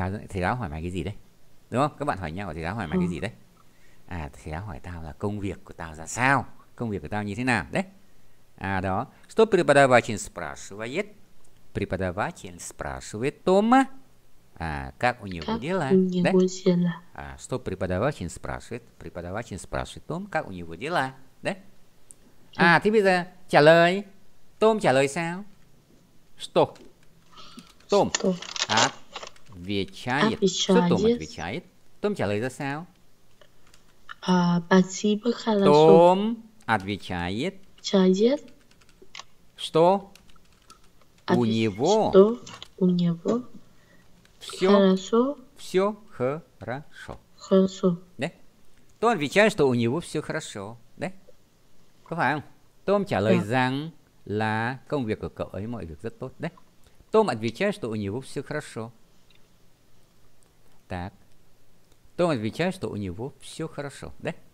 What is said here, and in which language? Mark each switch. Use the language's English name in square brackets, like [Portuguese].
[Vietnamese] Thầy giáo hỏi mày cái gì đấy? Đúng không? Các bạn hỏi nhau, thầy giáo hỏi mày cái gì đấy? À, thầy giáo hỏi tao là công việc của tao ra sao? Công việc của tao như thế nào? Đấy. À, đó. [Russian] Что преподаватель спрашивает? Преподаватель спрашивает Тома. À, как у него дела? Да? Что преподаватель спрашивает? Преподаватель спрашивает Тома, как у него дела? [Vietnamese] Đấy. À, thì bây giờ trả lời. Tom trả lời sao? [Russian] Что? Tom. Отвечает. Что Tom отвечает? [Vietnamese] Tom trả lời ra sao? [Russian] Спасибо хорошо. Tom отвечает. Что? У него. Что? У него. Все. Хорошо. Все хорошо. Хорошо. Да? Tom отвечает, что у него все хорошо. Да? [Vietnamese] Có phải không? Tom trả lời rằng là công việc của cậu ấy mọi việc rất tốt đấy. [Russian] Tom отвечает, что у него все хорошо. Так. Tom отвечает, что у него все хорошо, да?